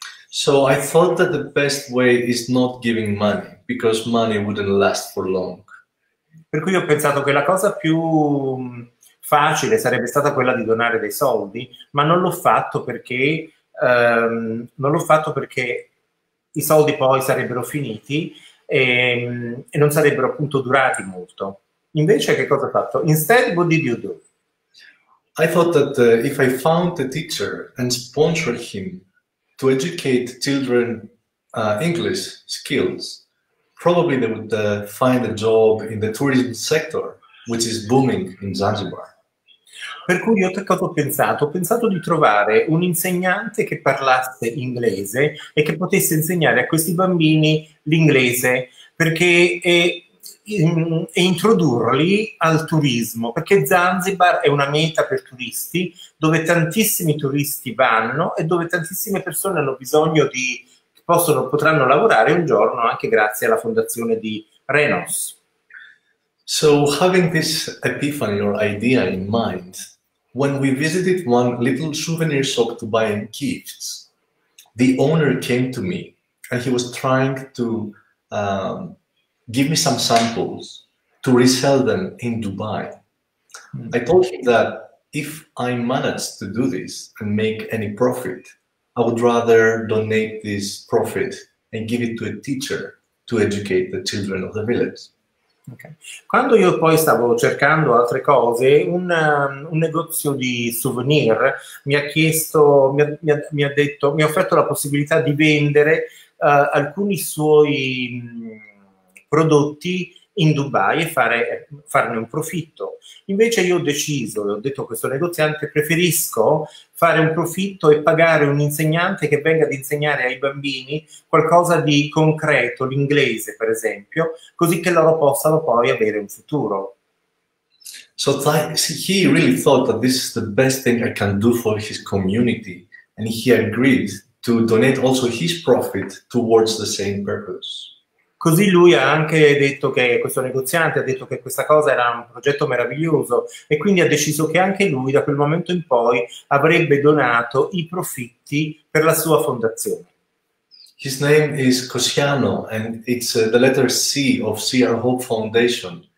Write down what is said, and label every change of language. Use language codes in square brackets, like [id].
[en] So I thought that the best way is not giving money, because money wouldn't last for long. [it] Per cui ho pensato che la cosa più facile sarebbe stata quella di donare dei soldi, ma non l'ho fatto perché i soldi poi sarebbero finiti e non sarebbero appunto durati molto. Invece che cosa ha fatto? [en] Instead, what did you do? I thought that if I found a teacher and sponsored him to educate children English skills, probably they would find a job in the tourism sector, which is booming in Zanzibar. [it] Per cui io ho pensato di trovare un insegnante che parlasse inglese e che potesse insegnare a questi bambini l'inglese e introdurli al turismo, perché Zanzibar è una meta per turisti dove tantissimi turisti vanno e dove tantissime persone hanno bisogno di, potranno lavorare un giorno anche grazie alla fondazione di Renos. [en] So having this epiphany or idea in mind, when we visited one little souvenir shop to buy in gifts, the owner came to me and he was trying to give me some samples to resell them in Dubai. I told him that if I managed to do this and make any profit, I would rather donate this profit and give it to a teacher to educate the children of the village. Okay. [it] Quando io poi stavo cercando altre cose, un negozio di souvenir mi ha offerto la possibilità di vendere alcuni suoi prodotti in Dubai e farne un profitto. Invece io ho detto a questo negoziante, preferisco fare un profitto e pagare un insegnante che venga ad insegnare ai bambini qualcosa di concreto, l'inglese per esempio, così che loro possano poi avere un futuro. [en] So he really thought that this is the best thing I can do for his community, and he agreed to donate also his profit towards the same purpose. [it] Così lui ha anche detto che questo negoziante ha detto che questa cosa era un progetto meraviglioso e quindi ha deciso che anche lui da quel momento in poi avrebbe donato i profitti per la sua fondazione. [en] His name is Cosciano and it's the letter C of CR Hope Foundation.